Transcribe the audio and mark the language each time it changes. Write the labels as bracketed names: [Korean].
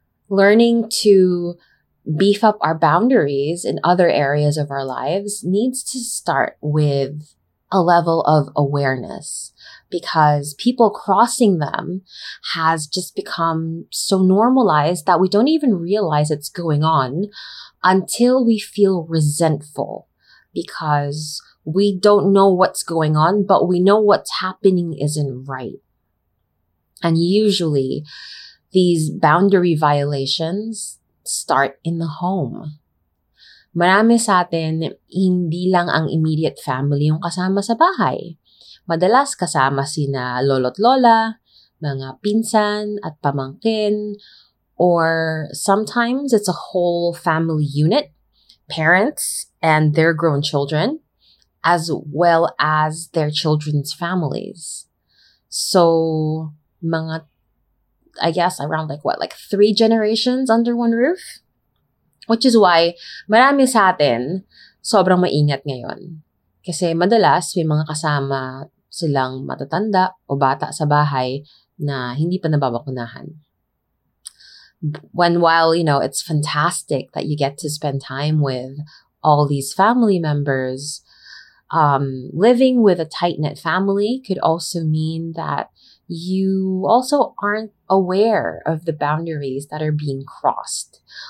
[English] Learning to beef up our boundaries in other areas of our lives needs to start with a level of awareness because people crossing them has just become so normalized that we don't even realize it's going on until we feel resentful because we don't know what's going on, but we know what's happening isn't right. And usually, these boundary violations start in the home. [Filipino] Marami sa atin, hindi lang ang [English] immediate family [Filipino] yung kasama sa bahay. Madalas kasama sina lolo't lola, mga pinsan at pamangkin, [English] or sometimes it's a whole family unit, parents and their grown children, as well as their children's families. So, mga I guess around like three generations under one roof? Which is why [Filipino] marami sa atin sobrang maingat ngayon. Kasi madalas may mga kasama silang matatanda o bata sa bahay na hindi pa nababakunahan. [English] When while, you know, it's fantastic that you get to spend time with all these family members, living with a tight-knit family could also mean that you also aren't aware of the boundaries that are being crossed.